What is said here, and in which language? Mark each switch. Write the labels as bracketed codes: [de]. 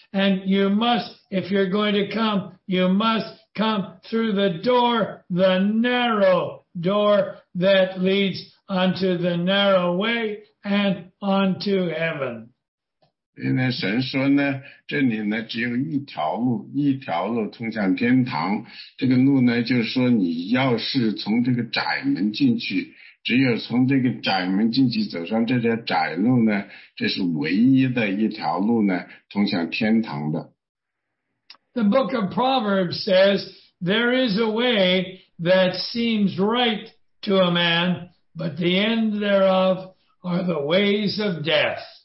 [en] And you must, if you're going to come, you must come through the door, the narrow door that leads onto the narrow way and onto heaven. [zh] 因为神说呢，这里呢只有一条路，一条路通向天堂。这个路呢，就是说你要是从这个窄门进去，只有从这个窄门进去走上这条窄路呢，这是唯一的一条路呢，通向天堂的。 [en] The book of Proverbs says there is a way that seems right to a man, but the end thereof are the ways of death.